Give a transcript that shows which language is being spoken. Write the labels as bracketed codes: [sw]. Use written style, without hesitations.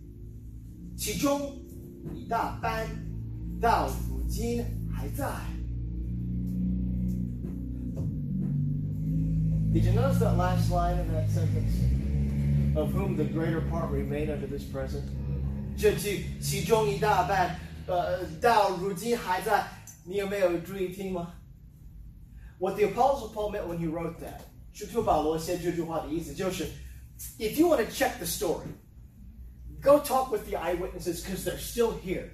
[zh] 哥林多前书十五章第六节说，后来他一次被500多弟兄看见，其中一大班。 [en] Did you notice that last line in that sentence? Of whom the greater part remain unto this present? [zh] 这句其中一大半到如今还在，你有没有注意听吗？ [en] What the Apostle Paul meant when he wrote that, [zh] 使徒保罗写这句话的意思就是， [en] if you want to check the story, go talk with the eyewitnesses because they're still here.